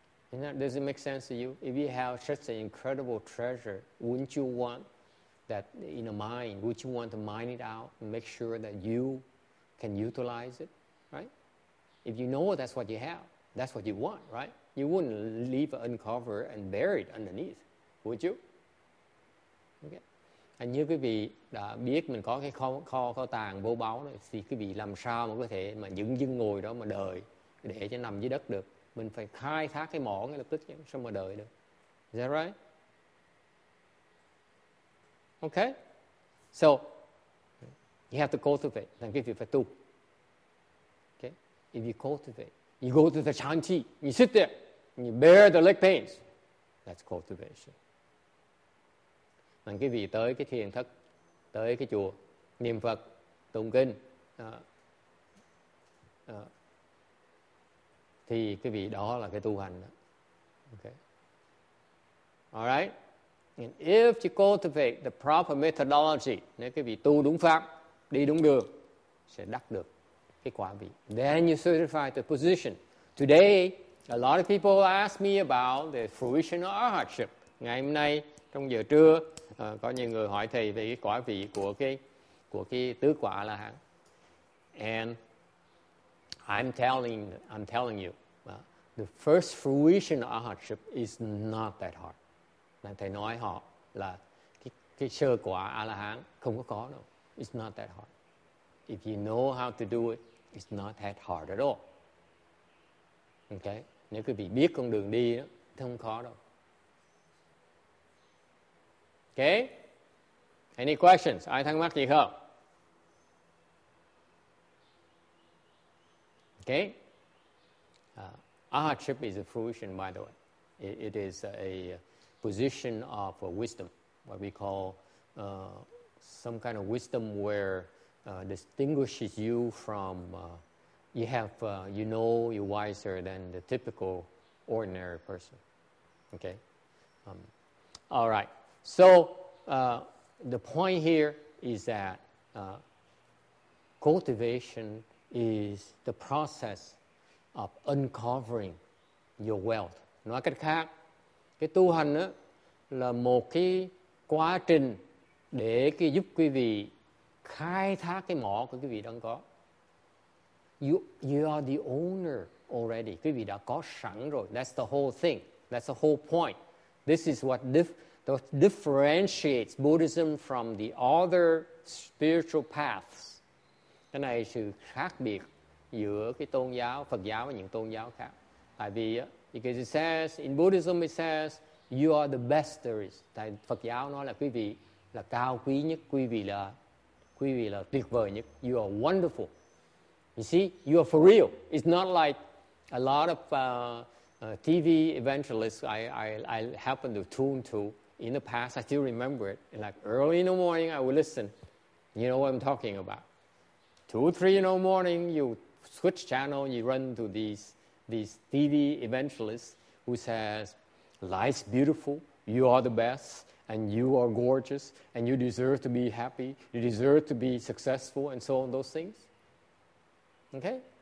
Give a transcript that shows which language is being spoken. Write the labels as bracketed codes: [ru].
[en] And that, does it make sense to you? If you have such an incredible treasure, wouldn't you want that in a mine? Would you want to mine it out and make sure that you can utilize it, right? If you know that's what you have, that's what you want, right? You wouldn't leave it uncovered and buried underneath, would you? Okay. [vi] And như quý vị đã biết mình có cái kho tàng vô báu này, thì quý vị làm sao mà có thể mà dựng dưng ngồi đó mà đợi để cho nằm dưới đất được? Mình phải khai thác cái mỏ ngay lập tức chứ, sao mà đợi được? [en] Is that right? Okay. So you have to cultivate. Then give you for two. Okay. If you cultivate, you go to the shanti. You sit there. And you bear the leg pains. That's cultivation. [vi] Mình cái vị tới cái thiền thất, tới cái chùa, niệm Phật, tụng kinh, thì cái vị đó là cái tu hành đó. [en] Okay. All right. And if you cultivate the proper methodology, [vi] nếu cái vị tu đúng pháp, đi đúng đường, sẽ đắc được cái quả vị. [en] Then you certify the position. Today, a lot of people ask me about the fruition of arhatship. [vi] Ngày hôm nay, trong giờ trưa, có nhiều người hỏi thầy về cái quả vị của cái tứ quả là hẳn. [en] And I'm telling you, the first fruition of arhatship is not that hard. [vi] Thầy nói họ là cái sơ quả A-la-hán không có đâu. [en] It's not that hard. If you know how to do it, it's not that hard at all. Okay? [vi] Nếu quý vị biết con đường đi, đó, thì không khó đâu. [en] Okay? Any questions? [vi] Ai thắc mắc gì không? [en] Okay? A-ha-chip is a fruition, by the way. It is a position of wisdom, what we call some kind of wisdom where distinguishes you from you know you're wiser than the typical ordinary person. Okay? All right. So the point here is that cultivation is the process of uncovering your wealth. [vi] Nói cách khác, cái tu hành đó là một cái quá trình để cái giúp quý vị khai thác cái mỏ của quý vị đang có. [en] You are the owner already. [vi] Quý vị đã có sẵn rồi. [en] That's the whole thing. That's the whole point. This is what differentiates Buddhism from the other spiritual paths. [vi] Cái này sự khác biệt giữa cái tôn giáo Phật giáo và những tôn giáo khác. Tại vì á, [en] because it says, in Buddhism it says, you are the best there is. [vi] Tại Phật giáo nói là quý vị là cao quý nhất, quý vị là tuyệt vời nhất. [en] You are wonderful. You see, you are for real. It's not like a lot of TV evangelists I happen to tune to in the past. I still remember it. And like early in the morning, I would listen. You know what I'm talking about. 2-3 in the morning, you switch channel, you run to these TV evangelists who says, life's beautiful, you are the best, and you are gorgeous, and you deserve to be happy, you deserve to be successful, and so on, those things. Okay?